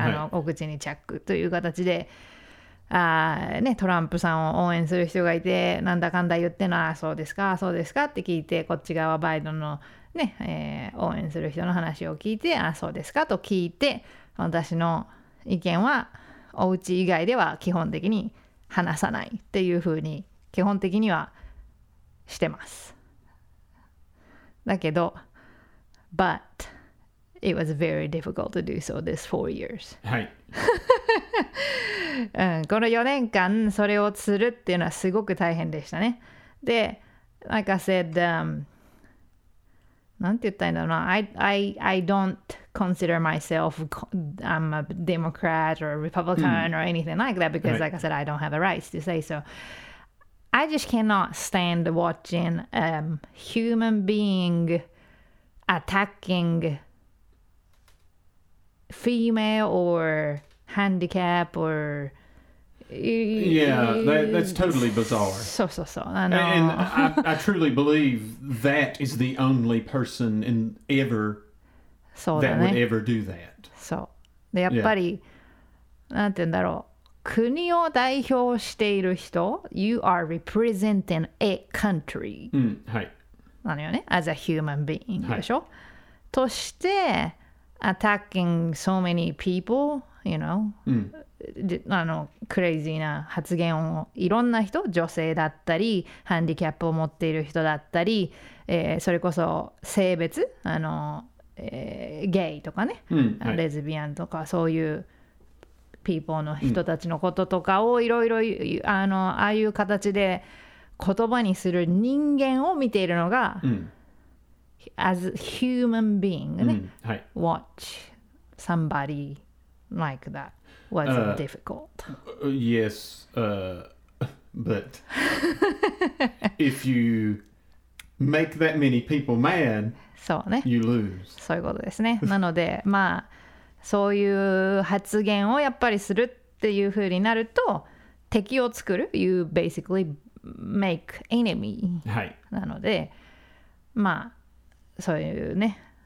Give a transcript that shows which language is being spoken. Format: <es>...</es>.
<ja>はい、お口にチャックという形で、ね、トランプさんを応援する人がいて、なんだかんだ言ってのは、そうですか、そうですかって聞いて、こっち側はバイデンのね、応援する人の話を聞いて、あ、そうですかと聞いて、私の意見はお家以外では基本的に話さないっていう風に基本的にはしてます。だけど、</ja> <en>But it was very difficult to do so this 4 years.</en> <ja>はい。うん、この4年間それをするっていうのはすごく大変でしたね。で、</ja> <en>Like I said,</en> <ja>なんて言ったんだろうな。</ja> <en>I don't consider myself I'm a Democrat or a Republican、mm. or anything like that because、right. like I said, I don't have a right to say so. I just cannot stand watching a human being attacking female or handicap or... Yeah, that's totally bizarre. So, so, so. I know. And I truly believe that is the only person in ever that would ever do that.</en> <ja>So, で、やっぱり、なんて言うんだろう。国を代表している人、</ja> <en>you are representing a country.</en> <ja>うん、はい。なのよね、</ja> <en>as a human being</en> <ja>でしょ。として、</ja> <en>attacking so many people, you know.</en> <ja>うん。あのクレイジーな発言をいろんな人、女性だったりハンディキャップを持っている人だったり、それこそ性別あの、ゲイとかね、うん、はい、レズビアンとかそういうピーポーの人たちのこととかをいろいろ、うん、あの、ああいう形で言葉にする人間を見ているのが、うん、</ja> <en>As a human being ね、</en> <ja>うん、はい、</ja> <en>Watch somebody like thatWas difficult. Yes, but if you make that many people mad,</en> <ja>そうね、</ja> <en>you lose.</en> <ja>そういうことですね。なので、まあ、そういう発言をやっぱりするっていうふうになると、敵を作る。</ja> <en>You basically make enemy.</en> <ja>はい。なので、まあ、そういうね。</ja>